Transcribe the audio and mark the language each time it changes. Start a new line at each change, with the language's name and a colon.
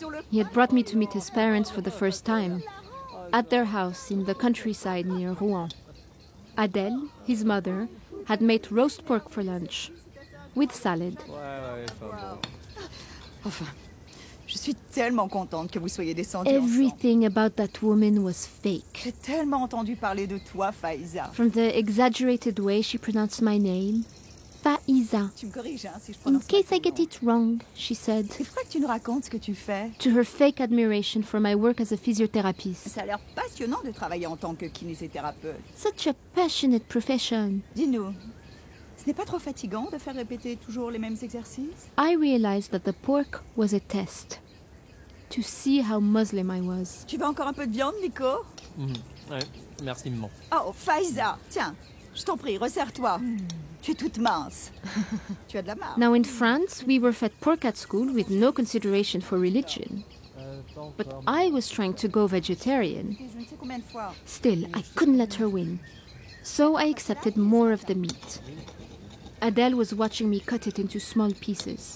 English: He had brought me to meet his parents for the first time, at their house in the countryside near Rouen. Adèle, his mother, had made roast pork for lunch, with salad.
French: Je suis tellement contente que vous soyez descendue.
English: Everything ensemble. About that woman was fake.
French: J'ai tellement entendu parler de toi, Faïza.
English: From the exaggerated way she pronounced my name, Faïza.
French: Tu me corriges, hein, si je
English: prononce in case I get it wrong, she said.
French: C'est vrai que tu nous racontes ce que tu fais.
English: To her fake admiration for my work as a physiotherapist.
French: Ça a l'air passionnant de travailler en tant que kinésithérapeute.
English: Such a passionate profession.
French: Dis-nous. Ce n'est pas trop fatigant de faire répéter toujours les mêmes exercices?
English: I realized that the pork was a test. To see how Muslim I was.
French: Tu veux encore un peu de viande, Nico? Mmh. Ouais, merci, maman. Oh, Faïza, tiens, je t'en prie, resserre-toi. Tu es toute mince. Tu as de la marre.
English: Now in France, we were fed pork at school with no consideration for religion. But I was trying to go vegetarian. Still, I couldn't let her win. So I accepted more of the meat. Adèle was watching me cut it into small pieces.